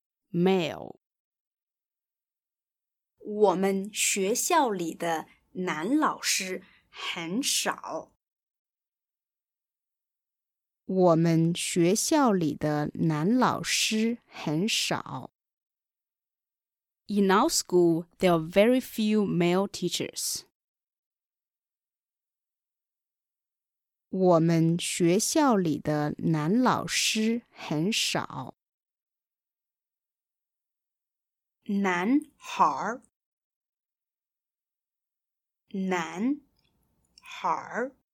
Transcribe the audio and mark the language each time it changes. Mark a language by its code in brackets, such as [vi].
[en] male [zh] 我们学校里的男老师很少我们学校里的男老师很少 [en] In our school, there are very few male teachers. [zh] 我们学校里的男老师很少男孩男孩